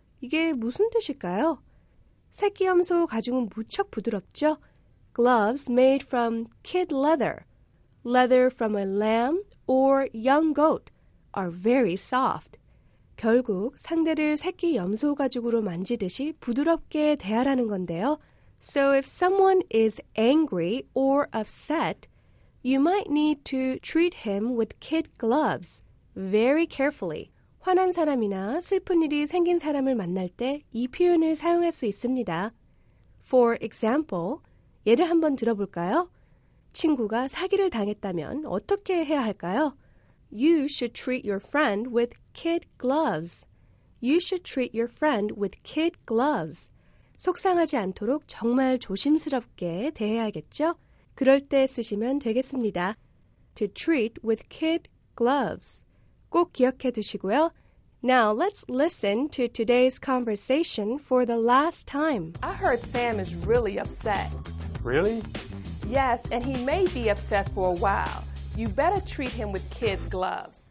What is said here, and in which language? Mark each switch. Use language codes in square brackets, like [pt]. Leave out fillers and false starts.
[ko] 이게 무슨 뜻일까요? 새끼 염소 가죽은 무척 부드럽죠? [en] Gloves made from kid leather. Leather from a lamb or young goat are very soft. [ko] 결국 상대를 새끼 염소 가죽으로 만지듯이 부드럽게 대하라는 건데요. [en] So if someone is angry or upset, you might need to treat him with kid gloves very carefully. [ko] 화난 사람이나 슬픈 일이 생긴 사람을 만날 때 이 표현을 사용할 수 있습니다. [en] For example, [ko] 예를 한번 들어볼까요? 친구가 사기를 당했다면 어떻게 해야 할까요? [en] You should treat your friend with kid gloves. You should treat your friend with kid gloves. [ko] 속상하지 않도록 정말 조심스럽게 대해야겠죠? 그럴 때 쓰시면 되겠습니다. [en] To treat with kid gloves. [ko] 꼭 기억해 두시고요. [en] Now let's listen to today's conversation for the last time. I heard Sam is really upset. Really? Yes, and he may be upset for a while. You better treat him with kid gloves.